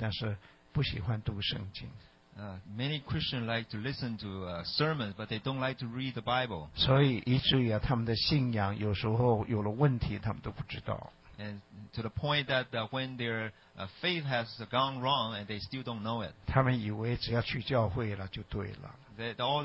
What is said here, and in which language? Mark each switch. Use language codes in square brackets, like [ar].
[zh] 你知道很多的基督徒他们喜欢听到，但是不喜欢读圣经。 [en] Many Christians like to listen to sermons, but they don't like to read the Bible. [zh] 所以以至于他们的信仰有时候有了问题，他们都不知道。 [en] And to the point that when their faith has gone wrong, and they still don't know it. [zh] 他们以为只要去教会了就对了。 [en] All